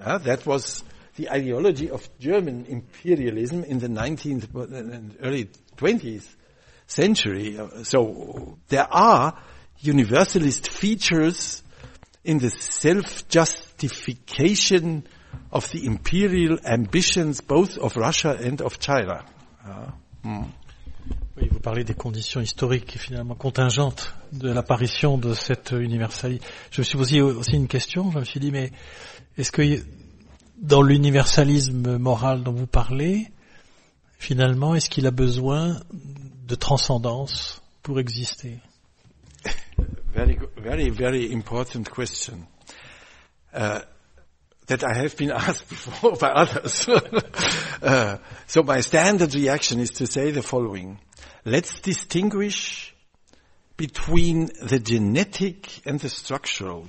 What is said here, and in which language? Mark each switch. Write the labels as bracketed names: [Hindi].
[English] That was the ideology of German imperialism in the 19th and early 20th century. So there are universalist features in the self-justification of the imperial ambitions both of Russia and of China. [French] Oui, vous parlez des conditions historiques et finalement contingentes de l'apparition de cette universalité. Je me suis posé aussi une question, je me suis dit, mais est-ce que dans l'universalisme moral dont vous parlez, finalement, est-ce qu'il a besoin de transcendance pour exister? [English] Very, very, very important question. That I have been asked before by others. So my standard reaction is to say the following. Let's distinguish between the genetic and the structural.